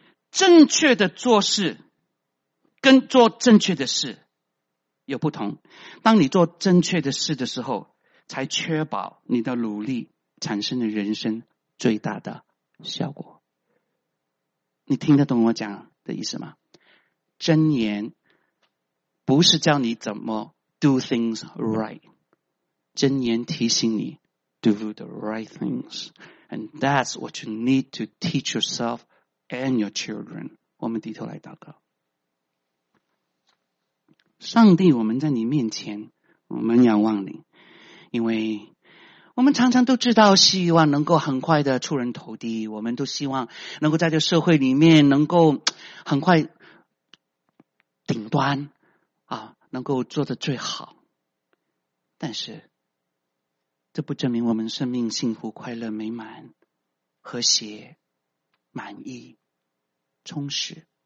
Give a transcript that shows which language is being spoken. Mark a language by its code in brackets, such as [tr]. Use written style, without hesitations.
[zh] 正确的做事跟做正确的事有不同，当你做正确的事的时候，才确保你的努力产生的人生最大的效果。你听得懂我讲的意思吗？箴言不是教你怎么 [en] do things right， [zh] 箴言提醒你 [en] do the right things， and that's what you need to teach yourself and your children。 [zh] 我们低头来祷告。上帝，我们在你面前，我们仰望你，因为我们常常都知道希望能够很快的出人头地，我们都希望能够在这社会里面能够很快顶端啊，能够做得最好，但是这不证明我们生命幸福快乐美满和谐满意充实。